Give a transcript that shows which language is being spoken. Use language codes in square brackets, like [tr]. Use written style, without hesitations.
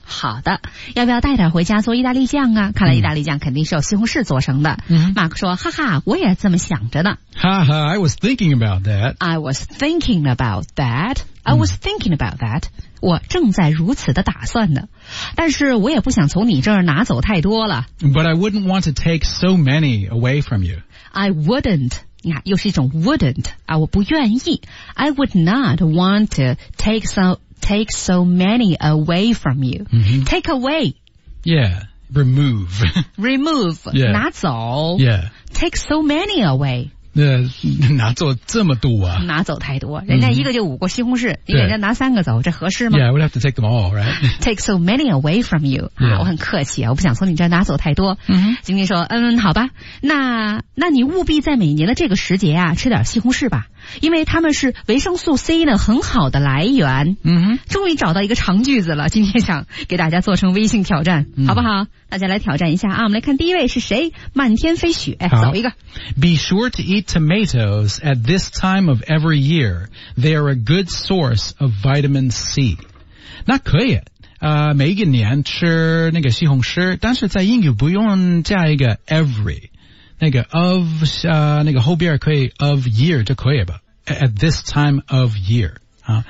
[zh] 好的，要不要带点回家做意大利酱啊？看来意大利酱肯定是由西红柿做成的。马克说：“哈哈，我也这么想着呢。” [en] 哈哈 ，I was thinking about that. I was thinking about that. I was thinking about that. [zh] 我正在如此的打算呢，但是我也不想从你这儿拿走太多了。 [en] But I wouldn't want to take so many away from you. I wouldn't, [zh] 你看又是一种 wouldn't, 啊，我不愿意。 [en] I would not want to take so many away from you.、 Mm-hmm. Take away. Yeah, remove. remove, yeah. [zh] 拿走。 [en] Yeah. Take so many away. [zh] 拿走这么多啊拿走太多人家一个就五个西红柿、mm-hmm. 人家拿三个走这合适吗 [en] Yeah, I would have to take them all, right? Take so many away from you、 yeah. [zh] 啊、我很客气我不想从你这拿走太多晶晶、mm-hmm. 说好吧那你务必在每年的这个时节啊吃点西红柿吧因为他们是维生素 C 呢很好的来源、 [en] mm-hmm. [zh] 终于找到一个长句子了今天想给大家做成微信挑战、 [en] mm-hmm. [zh] 好不好大家来挑战一下啊我们来看第一位是谁漫天飞雪走一个 [en] Be sure to eat tomatoes at this time of every year. They are a good source of vitamin C. [zh] 那可以每一年吃那个西红柿但是在英语不用加一个 every 那个 of 那个后边可以 of year 就可以吧 [en] at this time of year [zh] 啊、